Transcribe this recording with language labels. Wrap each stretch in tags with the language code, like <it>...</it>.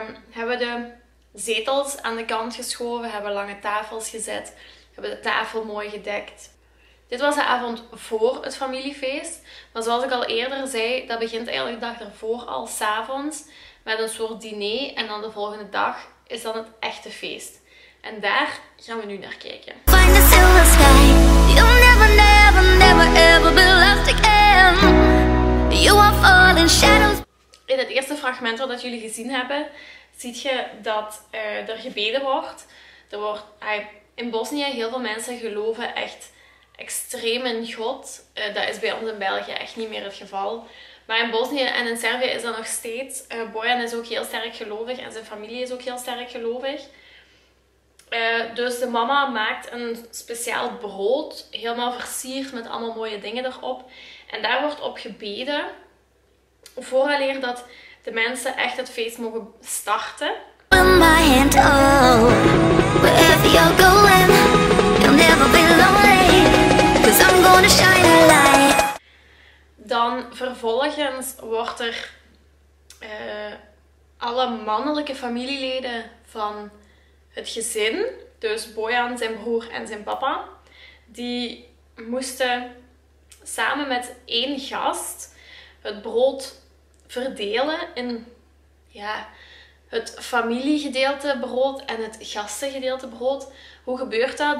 <nl>Hebben we de zetels aan de kant geschoven, hebben lange tafels gezet, hebben de tafel mooi gedekt. Dit was de avond voor het familiefeest, maar zoals ik al eerder zei, dat begint eigenlijk de dag ervoor al, 's avonds, met een soort diner en dan de volgende dag is dan het echte feest. En daar gaan we nu naar kijken.</nl> <en>Find the silver sky. You'll never, never, never, ever be left again. You are falling shadows.</en> <nl>In het eerste fragment dat jullie gezien hebben, zie je dat er gebeden wordt. Er wordt in Bosnië, heel veel mensen geloven echt extreem in God. Dat is bij ons in België echt niet meer het geval. Maar in Bosnië en in Servië is dat nog steeds. Bojan is ook heel sterk gelovig en zijn familie is ook heel sterk gelovig. Dus de mama maakt een speciaal brood, helemaal versierd met allemaal mooie dingen erop. En daar wordt op gebeden, vooraleer dat de mensen echt het feest mogen starten.</nl> <en>With my hand, oh, wherever you're going, you'll never be lonely, 'cause I'm gonna shine a light.</en> <nl>Dan vervolgens wordt er alle mannelijke familieleden van het gezin, dus Bojan, zijn broer en zijn papa, die moesten samen met één gast het brood verdelen in het familiegedeelte brood en het gastengedeelte brood. Hoe gebeurt dat?</nl>